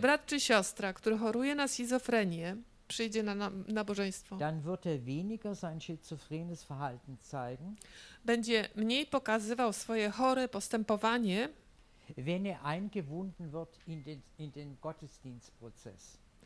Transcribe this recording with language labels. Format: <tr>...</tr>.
<pl>brat czy siostra, który choruje na schizofrenię, przyjdzie na nabożeństwo,</pl> <de>dann wird er weniger sein schizophrenes Verhalten zeigen,</de> <pl>będzie mniej pokazywał swoje chore postępowanie,</pl> <de>wenn er eingewunden wird in den Gottesdienstprozess.</de>